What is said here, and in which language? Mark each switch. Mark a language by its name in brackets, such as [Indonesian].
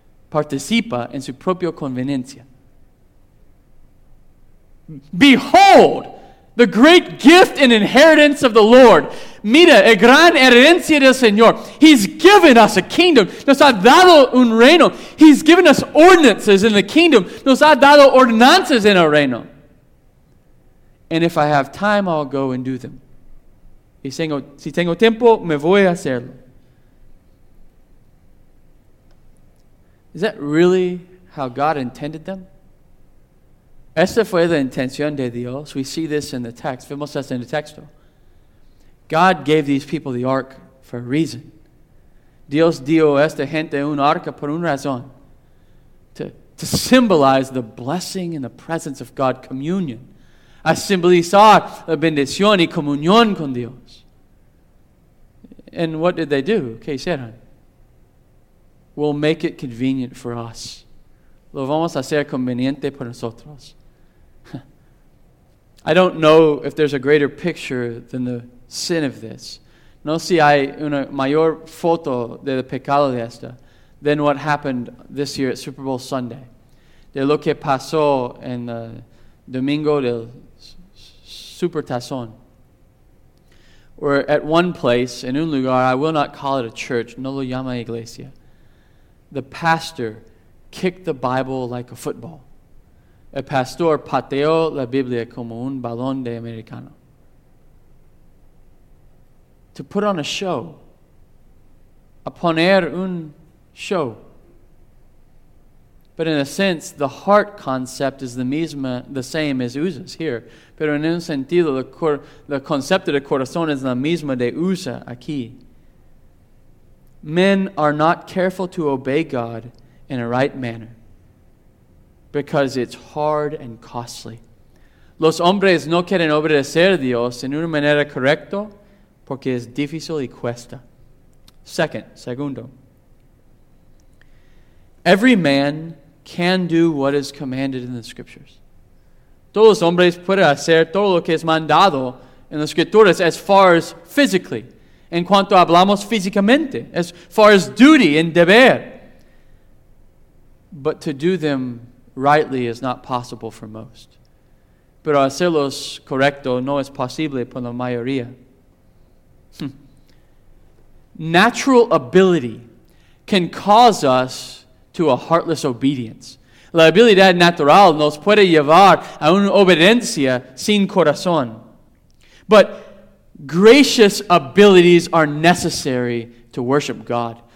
[Spanish] Participa en su propia conveniencia. [English] Behold, the great gift and inheritance of the Lord. [Spanish] Mira, el gran herencia del Señor. [English] He's given us a kingdom. [Spanish] Nos ha dado un reino. [English] He's given us ordinances in the kingdom. [Spanish] Nos ha dado ordenanzas en el reino. [English] And if I have time, I'll go and do them. [Spanish] Y si tengo tiempo, me voy a hacerlo. [English] Is that really how God intended them? [Spanish] Esta fue la intención de Dios. [English] We see this in the text. [Spanish] Vemos esto en el texto. [English] God gave these people the ark for a reason. [Spanish] Dios dio a esta gente un arca por una razón. [English] To symbolize the blessing and the presence of God, communion. [Spanish] A simbolizar la bendición y comunión con Dios. [English] And what did they do? [Spanish] ¿Qué hicieron? [English] We'll make it convenient for us. [Spanish] Lo vamos a hacer conveniente para nosotros. [English] I don't know if there's a greater picture than the sin of this. [Spanish] No si hay una mayor foto de el pecado de esta [English] than what happened this year at Super Bowl Sunday. [Spanish] De lo que pasó en el domingo del Super Tazón. [English] Where at one place, in [Spanish] un lugar, [English] I will not call it a church, [Spanish] no lo llama iglesia, [English] the pastor kicked the Bible like a football. [Spanish] El pastor pateó la Biblia como un balón de americano. [English] To put on a show, [Spanish] a poner un show. [English] But in a sense, the heart concept is the same as Uzzah's here. [Spanish] Pero en un sentido, el concepto de corazón es la misma de Uzzah aquí. [English] Men are not careful to obey God in a right manner. Because it's hard and costly. [Spanish] Los hombres no quieren obedecer a Dios en una manera correcta porque es difícil y cuesta. Segundo. [English] Every man can do what is commanded in the Scriptures. [Spanish] Todos los hombres pueden hacer todo lo que es mandado en las Escrituras [English] as far as physically. [Spanish] En cuanto hablamos físicamente. [English] As far as duty and deber. But to do them rightly is not possible for most. [Spanish] Pero hacerlos correcto no es posible por la mayoría. [English] Natural ability can cause us to a heartless obedience. [Spanish] La habilidad natural nos puede llevar a una obediencia sin corazón. [English] But gracious abilities are necessary to worship God.